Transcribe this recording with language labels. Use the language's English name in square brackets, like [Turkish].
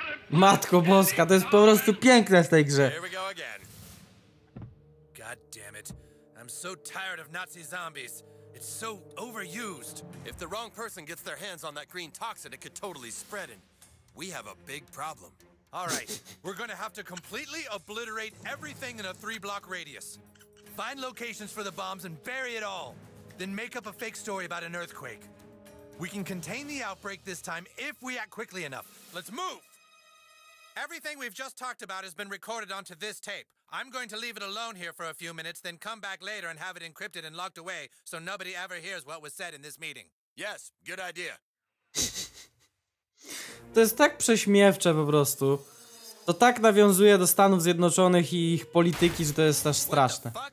[Polish] Matko Boska, to jest po prostu piękne w tej grze. [English] Here we go again. God damn it. I'm so tired of Nazi zombies. It's so overused. If the wrong person gets their hands on that green toxin, it could totally spread, and we have a big problem. All right, we're gonna have to completely obliterate everything in a 3-block radius. Find locations for the bombs and bury it all. Then make up a fake story about an earthquake. We can contain the outbreak this time if we act quickly enough. Let's move! Everything we've just talked about has been recorded onto this tape. I'm going to leave it alone here for a few minutes, then come back later and have it encrypted and locked away so nobody ever hears what was said in this meeting. Yes, good idea. [Polish] To jest tak prześmiewcze po prostu. To tak nawiązuje do Stanów Zjednoczonych i ich polityki, że to jest aż straszne.